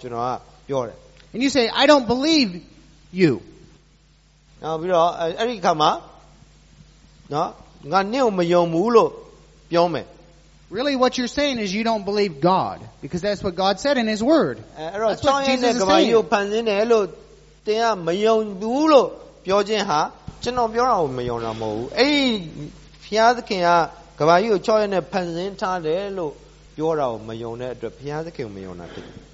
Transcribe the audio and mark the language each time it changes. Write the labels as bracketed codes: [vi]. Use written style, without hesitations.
[en] And you say I don't believe you [my] နောက်ပြီးတော့အဲ့ဒီခါမှာเนาะငါနင့်ကိုမယုံဘူးလို့ပြောမယ် [en] Really, what you're saying is you don't believe God, because that's what God said in His Word. That's what Jesus said.